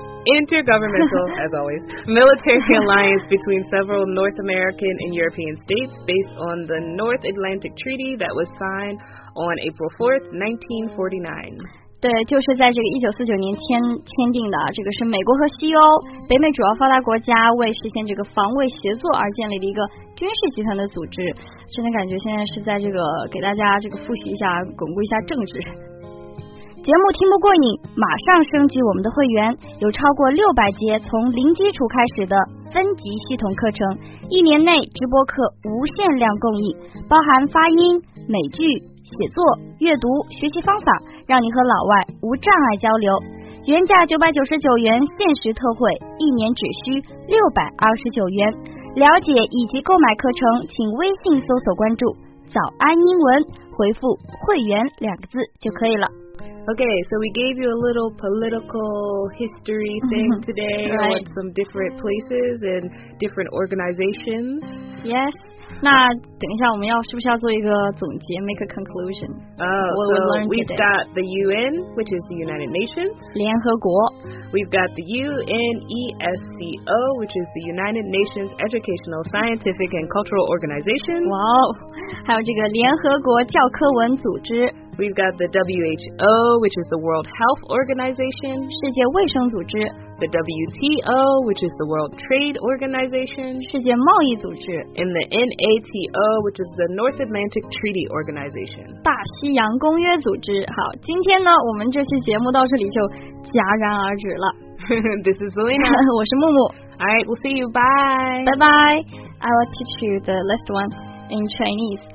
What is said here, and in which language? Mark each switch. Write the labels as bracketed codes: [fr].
[en] intergovernmental, as always, military alliance between several North American and European states based on the North Atlantic Treaty that was signed on April 4th, 1949. [zh] 对，就是在这个1949年签订的，这个是美国和西欧北美主要发达国家为实现这个防卫协作而建立的一个军事集团的组织。真的感觉现在是在这个给大家这个复习一下，巩固一下政治。节目听不过瘾，马上升级我们的会员，有超过600节从零基础开始的分级系统课程，一年内直播课无限量供应，包含发音、美剧、写作、阅读、学习方法，让你和老外无障碍交流。原价999元，限时特惠，一年只需629元。了解以及购买课程，请微信搜索关注“早安英文”，回复“会员”两个字就可以了。 [en] Okay, so we gave you a little political history thing today on some different places and different organizations. Yes. [zh] 那等一下，我们要是不是要做一个总结 ？ [en] Make a conclusion. Oh, so we've got the UN, which is the United Nations. [zh] 联合国。 [en] We've got the UNESCO, which is the United Nations Educational, Scientific, and Cultural Organization. [zh] Wow, 还有这个联合国教科文组织。 [en] We've got the WHO, which is the World Health Organization. [zh] 世界卫生组织。 [en] The WTO, which is the World Trade Organization, [zh] 世界贸易组织 [en] and the NATO, which is the North Atlantic Treaty Organization, [zh] 大西洋公约组织。好，今天呢，我们这期节目到这里就戛然而止了。 [en] This is Selena. [zh] 我是木木。 [en] All right, we'll see you. Bye. Bye bye. I will teach you the last one in Chinese.